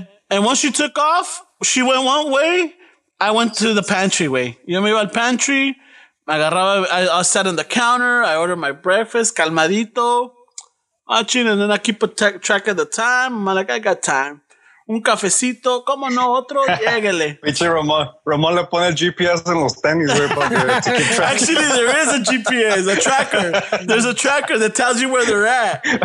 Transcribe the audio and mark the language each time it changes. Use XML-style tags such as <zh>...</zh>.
<en>And once she took off, she went one way. I went to the pantry way. You know me about pantry? I sat on the counter. I ordered my breakfast, calmadito, watching, and then I keep a track of the time. I'm like, I got time.</en> <es>un cafecito, cómo no, otro, lléguele. Pinche Ramón. Ramón le pone el GPS en los tenis, güey, para que</es> <en>to keep track. Actually, there is a GPS, a tracker. There's a tracker that tells you where they're at.</en>